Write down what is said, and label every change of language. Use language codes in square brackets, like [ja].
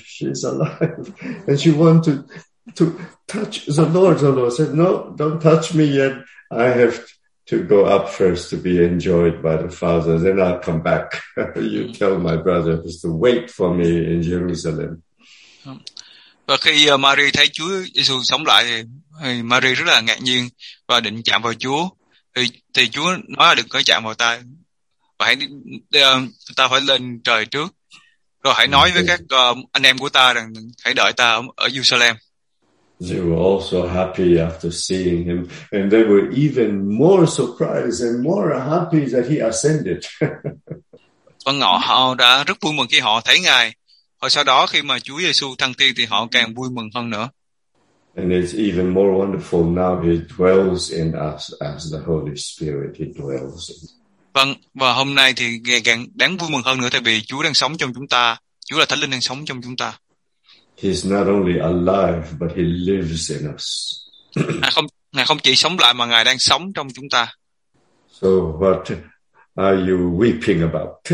[en] She's alive. And she wanted to touch the Lord. The Lord said, "No, don't touch me yet. I have to go up first to be enjoyed by the Father, then I'll come back. You tell my brothers to wait for me in Jerusalem." [vi] Và khi Mary thấy Chúa Giêsu sống lại thì Mary rất là ngạc nhiên và định chạm vào Chúa, thì Chúa nói là đừng có chạm vào ta, và hãy ta phải lên trời trước, rồi hãy nói với các anh em của ta rằng hãy đợi ta ở Jerusalem. [en] They were also happy after seeing him, and they were even more surprised and more happy that he ascended. [vi] Vâng, họ đã rất vui mừng khi họ thấy Ngài. Và sau đó khi mà Chúa Giêsu thăng thiên thì họ càng vui mừng hơn nữa. [en] And it's even more wonderful now he dwells in us as the Holy Spirit he dwells in. [vi] Vâng, và hôm nay thì càng đáng vui mừng hơn nữa tại vì Chúa đang sống trong chúng ta. Chúa là Thánh Linh đang sống trong chúng ta. [en] He's not only alive, but he lives in us. [vi] Ngài không chỉ sống lại mà Ngài đang sống trong chúng ta. [en] So what are you weeping about?